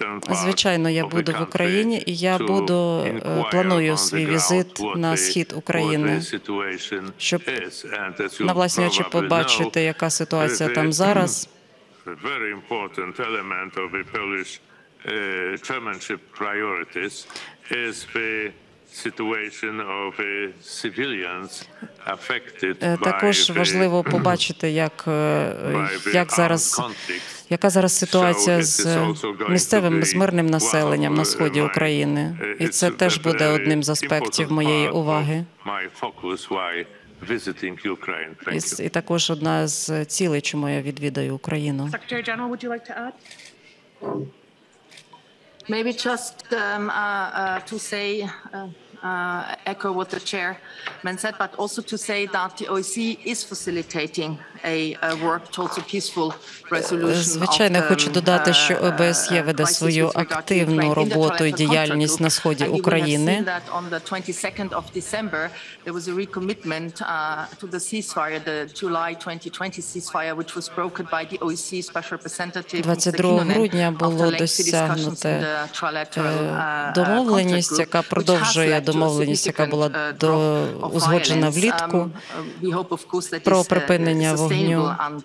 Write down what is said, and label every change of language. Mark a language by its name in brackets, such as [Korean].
[Ukrainian] Звичайно, я буду в Україні, і я буду планую свій візит на схід України, щоб на власні очі побачити, яка ситуація там зараз. [English] Very important element of the Polish chairmanship priorities is the situation of civilians affected by [Ukrainian] також важливо побачити, як зараз яка зараз ситуація з місцевим мирним населенням на сході України, і це теж буде одним з аспектів моєї уваги. [English] My focus why visiting Ukraine. Thank you. [Ukrainian] І також одна з цілей, чому я відвідаю Україну. [English] Secretary-General, would you like to add? Maybe just to say echo what the chairman said, but also to say that the OSCE is facilitating a work towards a peaceful resolution. [Ukrainian] Звичайно, хочу додати, що ОБСЄ веде свою активну роботу і діяльність на сході України. [English] On the 22nd of December there was a recommitment to the ceasefire, the July 2020 ceasefire, which was broken by the OSCE special representative. [Ukrainian] 22 грудня було досягнуте домовленість, яка продовжує домовленість, яка була узгоджена влітку, про припинення вогню.